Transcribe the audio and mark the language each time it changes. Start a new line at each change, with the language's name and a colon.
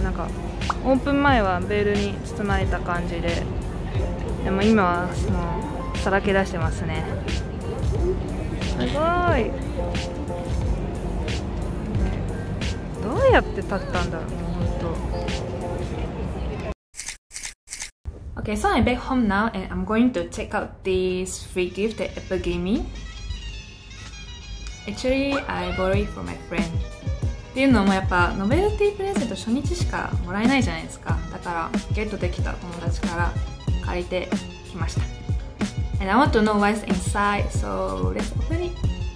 Japanese: なんかオープン前はベールに包まれた感じで、でも今はもうさらけ出してますね。すごーい。どうやって立ったんだろう、本当。
English: Okay, so I'm back home now and I'm going to check out this free gift that Apple gave me. Actually, I borrowed it from my friend.
Japanese: っていうのもやっぱノベルティープレゼント初日しかもらえないじゃないですか。だからゲットできた友達から借りてきました。
English: And I want to know what's inside, so let's open it.